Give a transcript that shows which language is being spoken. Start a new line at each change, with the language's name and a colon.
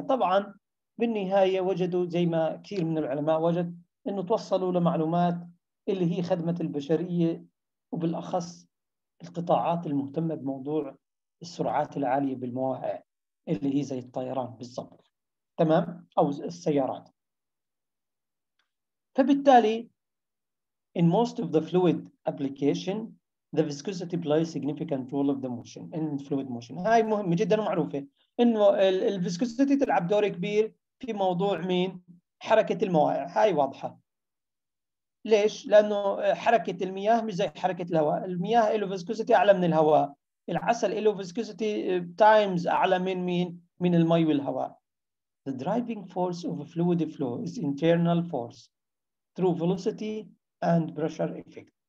Arabic: طبعا بالنهاية وجدوا زي ما كثير من العلماء وجد، انه توصلوا لمعلومات اللي هي خدمة البشرية، وبالأخص القطاعات المهتمة بموضوع السرعات العالية بالمواقع اللي هي زي الطيران بالضبط. تمام؟ أو السيارات.
English: فبالتالي in most of the fluid application the viscosity plays significant role of the motion in fluid motion.
Arabic: هاي مهمة جدا ومعروفة، انه الفيسكوسيتي تلعب دور كبير في موضوع مين؟ حركة الموائع. هاي واضحة. ليش؟ لانه حركة المياه مش زي حركة الهواء. المياه له فيسكوسيتي اعلى من الهواء، العسل له فيسكوسيتي تايمز اعلى من مين؟ من المي والهواء.
English: The driving force of a fluid flow is internal force through velocity and pressure effect.